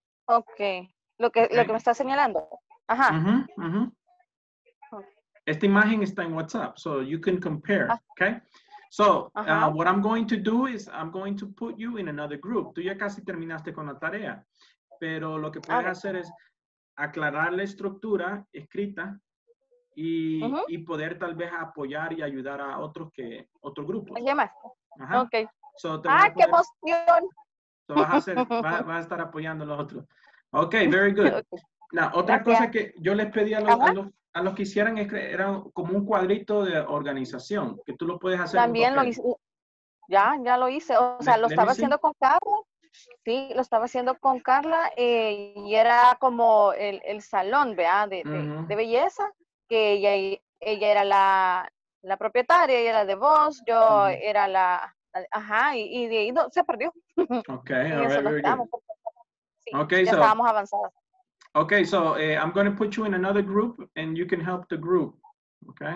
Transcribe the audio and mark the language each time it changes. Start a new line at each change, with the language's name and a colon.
Spanish: Okay. Lo que me está señalando. Ajá. Esta imagen está en WhatsApp,
English: so you can compare.
Spanish: Okay?
English: So, what I'm going to do is I'm going to put you in another group.
Spanish: Tú ya casi terminaste con la tarea. Pero lo que puedes hacer es aclarar la estructura escrita y, y poder tal vez apoyar y ayudar a otros que otros grupos. ¿Alguien más? Ok.
English: So,
Spanish: ¡ah, qué emoción! So, vas a hacer, vas a estar apoyando a los otros. Ok, very good. Okay. Now, otra cosa que yo les pedí a los, a los que hicieran es que era como un cuadrito de organización, que tú lo puedes hacer. También lo hice. Ya, ya lo hice. O sea, lo estaba haciendo con cabo. Sí, lo estaba haciendo con Carla y era como el salón, ¿verdad? De, de belleza, que ella, ella era la, la propietaria, ella era de voz, yo era la, y de ahí no, se perdió.
English: Ok, alright,
Spanish: sí, okay, estábamos avanzados.
English: Ok, so I'm going to put you in another group and you can help the group, ok?